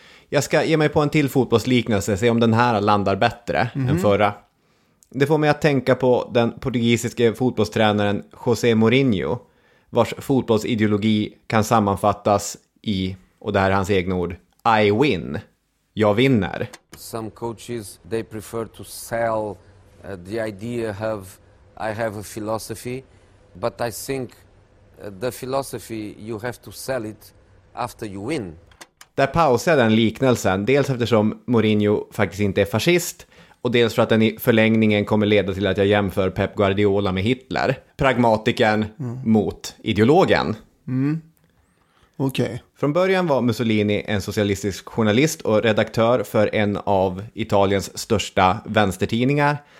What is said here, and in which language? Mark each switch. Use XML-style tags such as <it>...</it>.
<sv>Jag ska ge mig på en till fotbollsliknelse, se om den här landar bättre än förra. Det får mig att tänka på den portugisiska fotbollstränaren José Mourinho, vars fotbollsideologi kan sammanfattas i, och det här är hans egna ord,</sv> <en>I win.</en> <sv>Jag vinner.</sv> <en>Some coaches, they prefer to sell the idea of I have a philosophy, but I think the philosophy, you have to sell it after you win.</en> <sv>Där pausar den liknelsen, dels eftersom Mourinho faktiskt inte är fascist, och dels för att den i förlängningen kommer leda till att jag jämför Pep Guardiola med Hitler. Pragmatiken mot ideologen. Mm. Okej.</sv> <en>Okay.</en> <sv>Från början var Mussolini en socialistisk journalist och redaktör för en av Italiens största vänstertidningar.</sv>